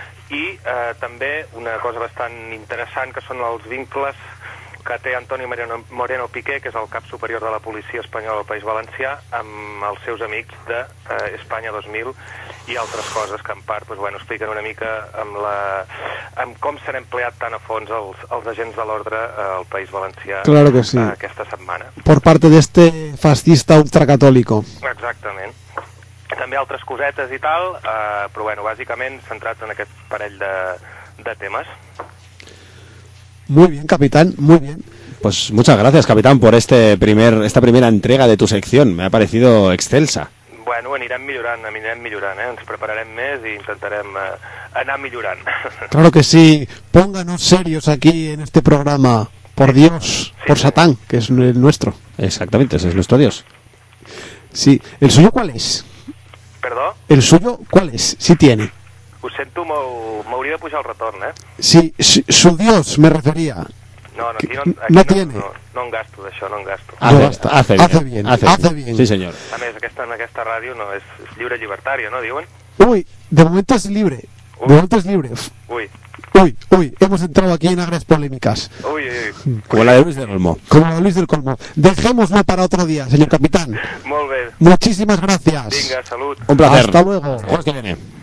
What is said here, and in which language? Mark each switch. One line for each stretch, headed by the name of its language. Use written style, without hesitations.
Catalan: I també una cosa bastant interessant, que són els vincles que té Antonio Moreno Piqué, que és el cap superior de la policia espanyola del País Valencià, amb els seus amics d'Espanya 2000 i altres coses que en part pues, bueno, expliquen una mica amb com s'han empleat tan a fons els agents de l'ordre al País Valencià.
Spanish: Claro que sí.
Catalan: Aquesta setmana.
Spanish: Por parte de este fascista ultracatòlico.
Catalan: Exactament. També altres cosetes i tal, però bueno, bàsicament centrats en aquest parell de temes.
Spanish: Muy bien, capitán, muy bien. Pues muchas gracias, capitán, por esta primera entrega de tu sección. Me ha parecido excelsa.
Catalan: Bueno, anirem millorant, ens prepararem més i intentarem anar millorant.
Spanish: Claro que sí, pónganos serios aquí en este programa, por Dios, sí, por Satán, que es el nuestro. Exactamente, ese es nuestro Dios. Sí, ¿el suyo cuál es?
Catalan: ¿Perdó?
Spanish: ¿El suyo cuál es? Sí tiene.
Catalan: Ho sento, m'hauria de pujar el retorn, eh?
Spanish: Sí, su Dios me refería.
Catalan: No, aquí no en gasto, d'això, no en gasto.
Spanish: Hace bien.
Catalan: Sí, senyor. A més, en aquesta ràdio no és lliure llibertària, no, diuen? Ui, de moment és lliure. Ui.
Spanish: Uy, hemos entrado aquí en agres polémicas. Uy. Como la de Luis del Olmo. Dejémoslo para otro día, señor capitán.
Catalan: Molt bé.
Spanish: Muchísimas gracias.
Catalan: Vinga, salut.
Spanish: Un placer. Hasta luego. Jueves que viene.